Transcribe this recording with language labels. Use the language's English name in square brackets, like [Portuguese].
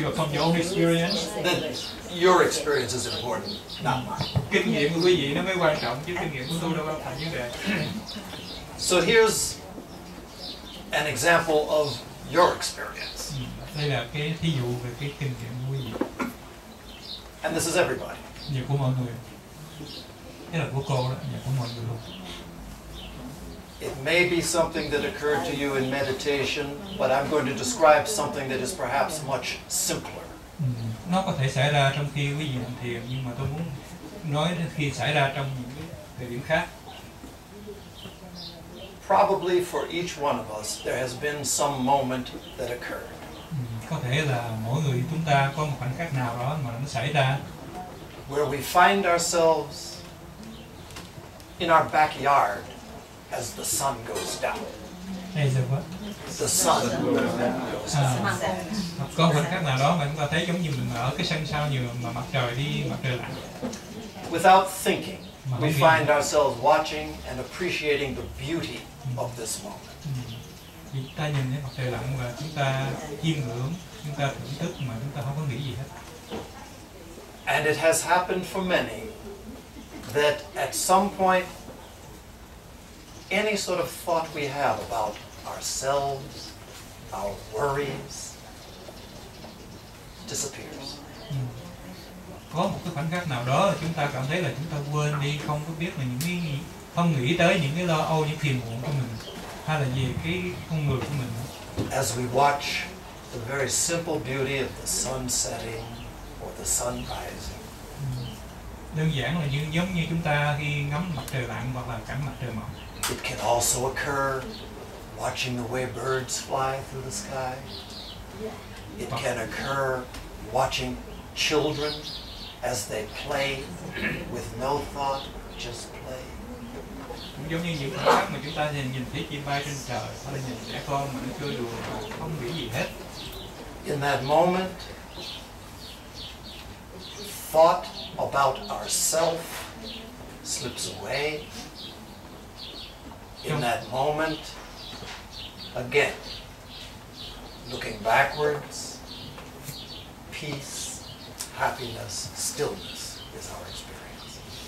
[English] You're from your own experience. Then your experience is important, not mine. [Vietnamese] Kinh nghiệm của quý vị nó mới quan trọng, chứ kinh nghiệm của tôi đâu quan trọng như vậy. [English] So here's an example of your experience. [Vietnamese] Đây là cái thí dụ về cái kinh nghiệm của quý vị. [English] And this is everybody. [Vietnamese] Nhà của mọi người. Đây là của cô đó, nhà của mọi người luôn. [English] It may be something that occurred to you in meditation, but I'm going to describe something that is perhaps much simpler. [Vietnamese] Nó có thể xảy ra trong khi quý vị hành thiền, nhưng mà tôi muốn nói khi xảy ra trong những thời điểm khác. [English] Probably for each one of us, there has been some moment that occurred. [Vietnamese] Có thể là mỗi người chúng ta có một khoảnh khắc nào đó mà nó xảy ra. [English] Where we find ourselves in our backyard. As the sun goes down. As the what? The sun goes down. [Vietnamese] À, có khoảnh khắc nào đó mà chúng ta thấy giống như mình ở cái sân sau như mà mặt trời đi, mặt trời lặn. [English] Without thinking, we find ourselves watching and appreciating the beauty of this moment. [Vietnamese] Chúng ta nhìn thấy mặt trời lặn và chúng ta chiêm ngưỡng, chúng ta thưởng thức mà chúng ta không có nghĩ gì hết. [English] And it has happened for many that at some point any sort of thought we have about ourselves, our worries, disappears. [Vietnamese] Có một cái khoảnh khắc nào đó chúng ta cảm thấy là chúng ta quên đi, không có biết là những cái không nghĩ tới những cái lo âu, những phiền muộn của mình hay là về cái con người của mình. [English] As we watch the very simple beauty of the sun setting or the sun rising. [Vietnamese] Đơn giản là như giống như chúng ta khi ngắm mặt trời lặn hoặc là cảnh mặt trời mọc. [English] It can also occur watching the way birds fly through the sky. It can occur watching children as they play with no thought, just play. [Vietnamese] Cũng giống như những khoảnh khắc mà chúng ta nhìn thấy chim bay trên trời, hay là nhìn trẻ con mà nó chơi đùa mà không nghĩ gì hết. [English] In that moment, thought about ourself slips away. In that moment, again, looking backwards, peace, happiness, stillness is our experience.